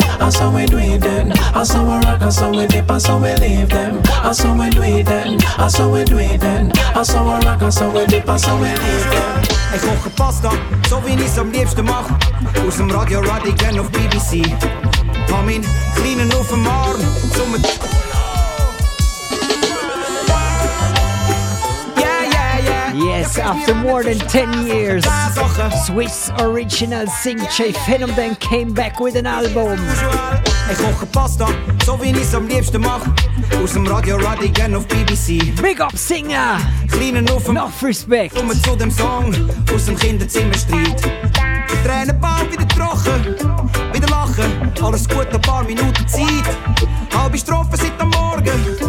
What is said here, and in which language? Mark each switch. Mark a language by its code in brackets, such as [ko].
[en] So we do it then, and so we rock, and so we dip, and so we leave them. And so we do it then, and so we do it then, and so we rock, and so we dip, and so we leave them. [de] Ich koche Pasta, so wie ich es am liebsten mach. Aus dem Radio Radigan auf BBC. Hab meinen kleinen auf dem Arm, zum [en] Yes, after more than 10 years, Swiss original Sing J Phenom then came back with an album. [de] Ich koche Pasta, so wie ich es am liebsten mach. Aus dem Radio Radigan auf BBC. [en] Big up Singer! [de] Noch Respekt! Kommen zu dem Song aus dem Kinderzimmerstreit. Tränen bald wieder trocken, wieder lachen. Alles gut, ein paar Minuten Zeit. Halbe Strophe seit am Morgen.